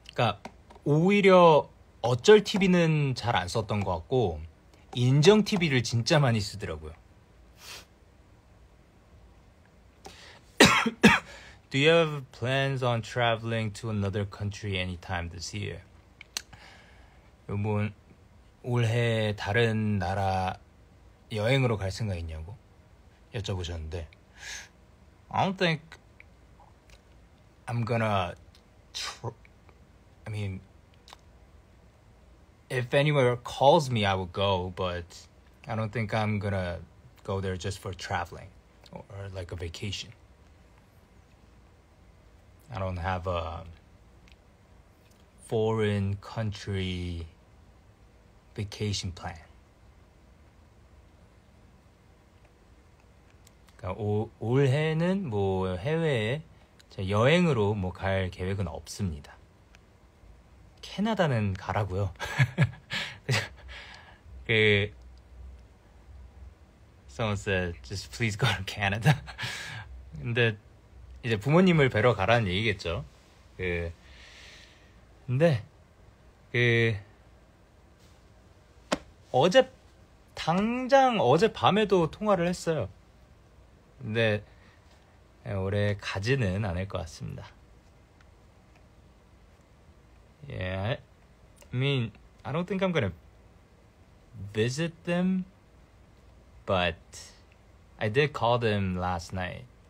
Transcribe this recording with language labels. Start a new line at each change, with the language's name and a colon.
Korean: 그러니까 오히려 어쩔 TV는 잘 안 썼던 것 같고 인정 TV를 진짜 많이 쓰더라고요.
English: Do you have plans on traveling to another country anytime this year?
Korean: 여러분 올해 다른 나라 여행으로 갈 생각 있냐고 여쭤보셨는데
English: I don't think I'm gonna I mean if anywhere calls me I would go but I don't think I'm gonna go there just for traveling or like a vacation I don't have a foreign country vacation plan.
Korean: 그러니까 올해는 뭐 해외에 여행으로 뭐 갈 계획은 없습니다. 캐나다는 가라고요.
English: 그 someone said just please go to Canada.
Korean: 근데 이제 부모님을 뵈러 가라는 얘기겠죠. 그 근데 그 어제 당장 어젯밤에도 통화를 했어요. 근데 올해 가지는 않을 것 같습니다.
English: Yeah, I mean, I don't think I'm gonna visit them, but I did call them last night.